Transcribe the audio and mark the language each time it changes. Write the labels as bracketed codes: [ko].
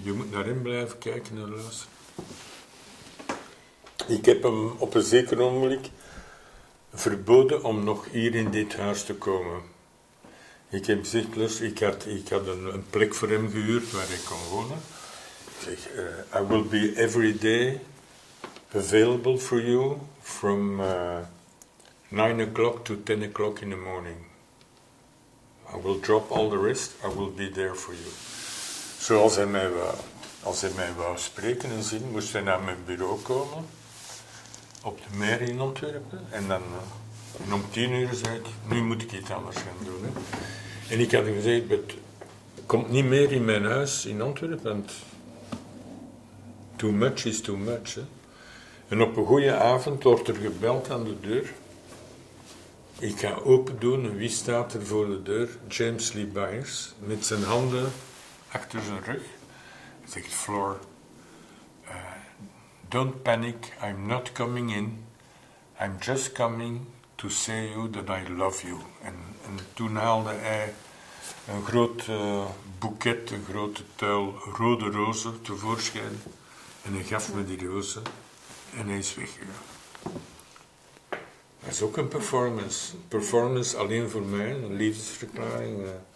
[nl] Je moet naar hem blijven kijken en luisteren. Ik heb hem op een zeker ogenblik verboden om nog hier in dit huis te komen. Ik heb gezegd, ik had een plek voor hem gehuurd waar hij kon wonen. Ik zeg, [en] I will be every day available for you from 9 o'clock to 10 o'clock in the morning. I will drop all the rest, I will be there for you. [nl] Zoals hij mij wou. Als hij mij wou spreken en zien, moest hij naar mijn bureau komen. Op de meer in Antwerpen. En dan om 10 uur zei ik, nu moet ik iets anders gaan doen. Hè. En ik had gezegd, het komt niet meer in mijn huis in Antwerpen. [en] Want too much is too much. Hè. [nl] En op een goede avond wordt er gebeld aan de deur. Ik ga open doen. Wie staat er voor de deur? James Lee Byers. Met zijn handen achter zijn rug. Zegt Floor. [en] Don't panic, I'm not coming in. I'm just coming to say you that I love you. [nl] En toen haalde hij een groot boeket, een grote tuil rode rozen tevoorschijn. En hij gaf me die rozen en hij is weggegaan. Dat is ook een performance. Een performance alleen voor mij, een liefdesverklaring.